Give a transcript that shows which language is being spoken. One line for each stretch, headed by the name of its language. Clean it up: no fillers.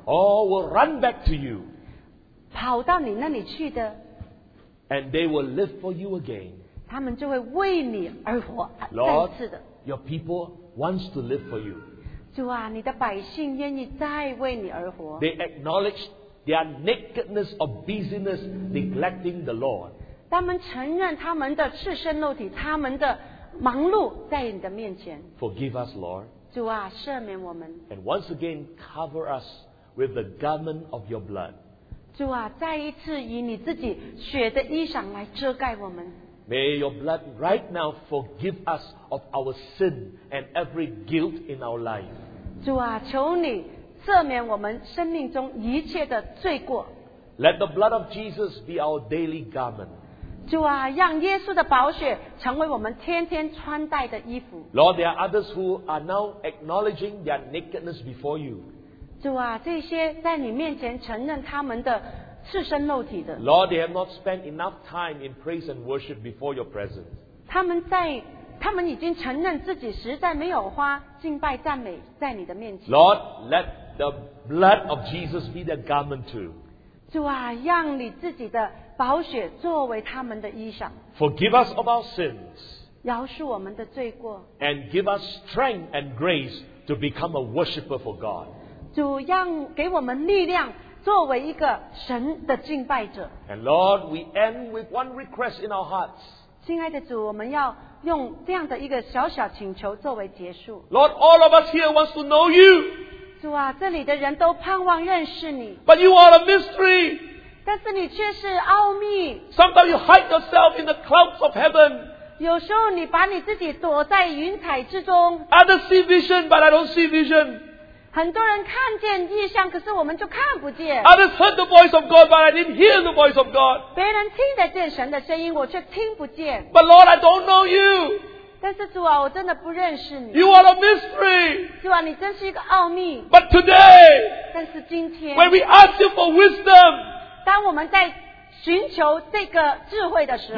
English: Oh, will run back to you.
Chinese: 跑到你那里去的。
English: And they will live for you again.
Chinese: 他们就会为你而活
English: Lord,
Chinese: 再次的
English: your people wants to live for you.
Chinese: 主啊，你的百姓愿意再为你而活。
English: They acknowledge their nakedness of busyness, neglecting the Lord.
Chinese: 他们承认他们的赤身露体，他们的忙碌在你的面前。
English: Forgive us, Lord.
Chinese: 主啊，赦免我们。
English: And once again, cover us with the garment of your blood.
Chinese: 主啊，再一次以你自己血的衣裳来遮盖我们。
English: May your blood right now forgive us of our sin and every guilt in our life.
Chinese: 主啊，求你赦免我们生命中一切的罪过。
English: Let the blood of Jesus be our daily garment.
Chinese: 主啊，让耶稣的宝血成为我们天天穿戴的衣服。
English: Lord, there are others who are now acknowledging their nakedness before you.
Chinese: 主啊，这些在你面前承认他们的赤身露体的。
English: Lord, they have not spent enough time in praise and worship before your presence.
Chinese: 他们已经承认自己实在没有花敬拜赞美在你的面前。
English: Lord, let the blood of Jesus be their garment too.
Chinese: 主啊，让你自己的宝血作为他们的衣裳。
English: Forgive us of our sins.
Chinese: 饶恕我们的罪过。
English: And give us strength and grace to become a worshipper for God.
Chinese: 主让给我们力量，作为一个神的敬拜者。
English: And Lord, we end with one request in our hearts.
Chinese: 亲爱的主，我们要用这样的一个小小请求作为结束。
English: Lord, all of us here wants to know you.
Chinese: 主啊，这里的人都盼望认识你。
English: But you are a mystery.
Chinese: 但是你却是奥秘。
English: Sometimes you hide yourself in the clouds of heaven.
Chinese: 有时候你把你自己躲在云彩之中。
English: Others see vision, but I don't see vision.
Chinese: 很多人看见异象，可是我们就看不见。
English: Others heard the voice of God, but I didn't hear the voice of God.
Chinese: 别人听得见神的声音，我却听不见。
English: But Lord, I don't know you.
Chinese: 但是主啊，我真的不认识你。
English: You are a mystery.
Chinese: 主啊，你真是一个奥秘。
English: But today,
Chinese: 但是今天
English: ，when we ask you for wisdom,
Chinese: 当我们在寻求这个智慧的时候